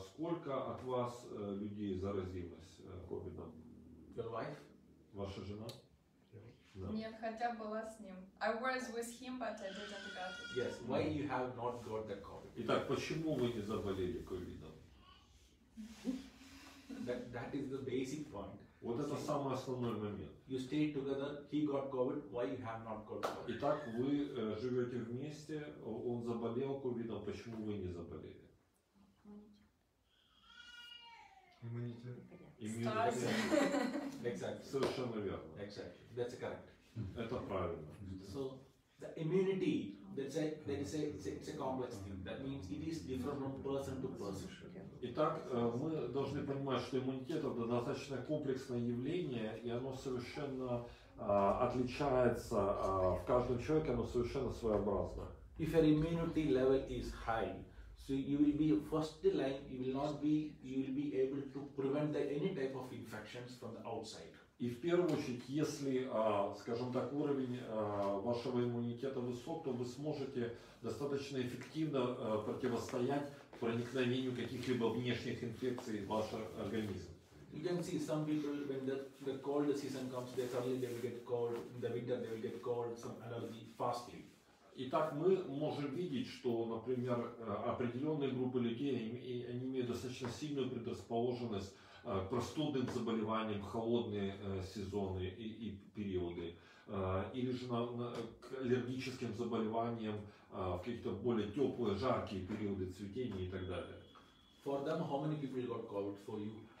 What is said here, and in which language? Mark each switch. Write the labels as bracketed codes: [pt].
[ru] Сколько от вас людей заразилось COVID-19? [en] Your wife? [ru] Ваша жена? Нет, хотя была с ним. [en] I was with him, but I didn't got it. Yes, why you have not got the COVID? [ru] Итак, почему вы не заболели COVID-19? [en] That is the basic point. [ru] Вот это самый основной момент. [en] You stay together, he got COVID, why you have not got COVID? [ru] Итак, вы живете вместе, он заболел COVID-19, почему вы не заболели? Иммунитет. Совершенно верно. [en] Exactly. That's correct. [ru] Это правильно. [en] So the immunity, that's a complex thing. That means it is different from person to person. [ru] Итак, мы должны понимать, что иммунитет — это достаточно комплексное явление, и оно совершенно отличается в каждом человеке, оно совершенно своеобразно. [en] If your immunity level is high, so you will be first in line, you will be able to prevent the any type of infections from the outside. [ru] И в первую очередь, если, скажем так, уровень вашего иммунитета высок, то вы сможете достаточно эффективно противостоять проникновению каких-либо внешних инфекций в ваш организм. [en] You can see some people when the cold season comes, they suddenly they will get cold. In the winter they will get cold, some allergy fastly. [ru] Итак, мы можем видеть, что, например, определенные группы людей, они имеют достаточно сильную предрасположенность к простудным заболеваниям, холодные сезоны и периоды, или же к аллергическим заболеваниям в каких-то более теплые, жаркие периоды цветения и так далее. [en] For them, how many people got COVID for you?